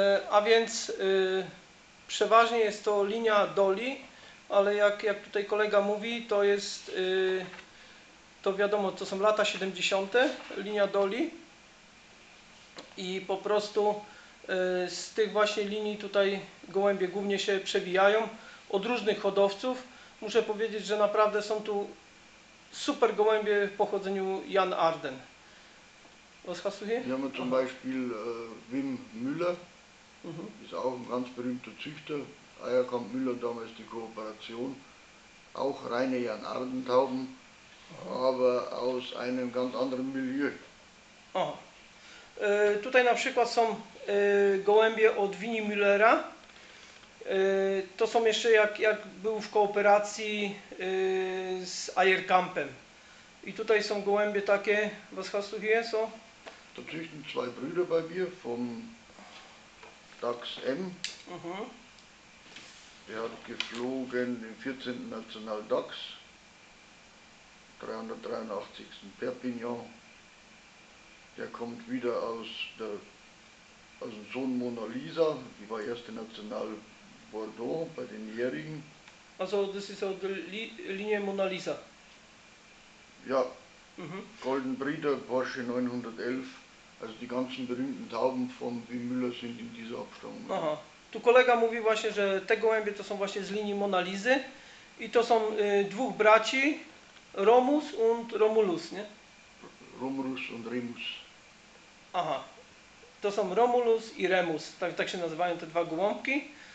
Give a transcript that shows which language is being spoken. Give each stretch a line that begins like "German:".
Polish: A więc przeważnie jest to linia Dolly, ale jak tutaj kolega mówi, to jest, to wiadomo, to są lata 70. linia Dolly. I po prostu z tych właśnie linii tutaj gołębie głównie się przebijają od różnych hodowców. Muszę powiedzieć, że naprawdę są tu super gołębie w pochodzeniu Jan Arden.
German: Was hast du hier? Wir haben zum Beispiel Wim Müller, ist auch ein ganz berühmter Züchter. Eierkamp Müller, damals die Kooperation. Auch reine Jan Arden Tauben, aber aus einem ganz anderen Milieu.
Polish: Tutaj na przykład są gołębie od Wini Müllera. To są jeszcze jak był w kooperacji z Eierkampem. I tutaj są gołębie takie,
German: was hast du hier so? To züchten zwei Brüder bei mir vom DAX M. Der hat geflogen im 14. National DAX. 383. Perpignan. Der kommt wieder aus dem Sohn Mona Lisa, die war erste National Bordeaux bei den Jährigen. Also das ist auch die Linie Mona Lisa? Ja, Golden Breeder, Porsche 911, also die ganzen berühmten Tauben von Wim Müller sind in dieser Abstammung.
Polish: Aha, tu kolega mówi właśnie, że te gołębie to są właśnie z linii Mona Lisy i to są dwóch braci, Romus und Romulus, nie?
German: Romulus und Remus.
Polish: Aha, to są Romulus i Remus, tak się nazywają te dwa gołąbki.